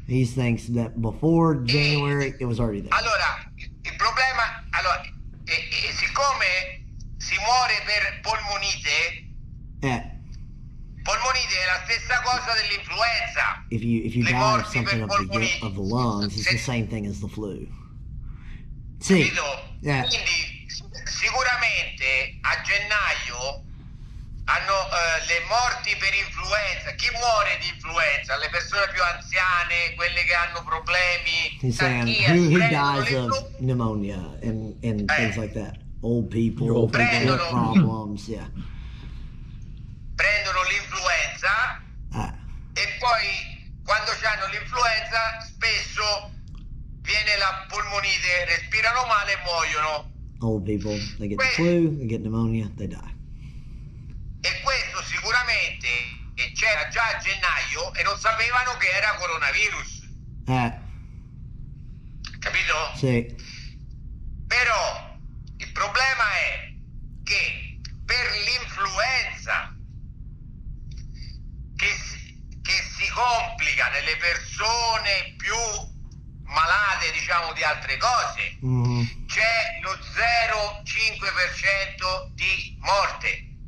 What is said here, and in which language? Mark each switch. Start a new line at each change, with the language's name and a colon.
English: He thinks that before January it was already there.
Italian: Allora, il problema, allora, e siccome si muore per polmonite, polmonite è la stessa cosa dell'influenza.
English: If you
Italian: le
English: die of something of the lungs, it's the same thing as the flu.
Italian: Sì. Quindi sicuramente a gennaio hanno le morti per influenza. Chi muore di influenza? Le persone più anziane, quelle che hanno problemi.
English: He's saying who dies of pneumonia and things like that. Old people,
Italian: prendono,
English: problems, yeah.
Italian: Prendono l'influenza e poi quando hanno l'influenza spesso viene la polmonite, respirano male e muoiono.
English: Old people, they get the flu, they get pneumonia, they die.
Italian: E questo sicuramente c'era già a gennaio e non sapevano che era coronavirus. Capito? Sì. Però il problema è che per l'influenza che si complica nelle persone più malate, diciamo, di altre cose, c'è lo 0,5% di morte.